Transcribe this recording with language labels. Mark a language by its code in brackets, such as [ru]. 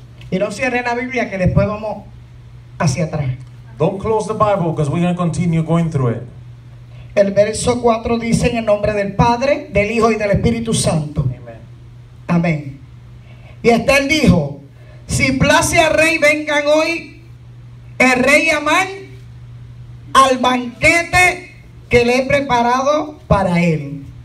[es] Y no cierre la Biblia que después vamos hacia atrás. [en] Don't close the Bible because we're going to continue going through it. [es] El verso 4 dice en el nombre del Padre, del Hijo y del Espíritu Santo. Amen. Amén. Y Esther dijo, si place al rey, vengan hoy el rey Amán al banquete que le he preparado para él.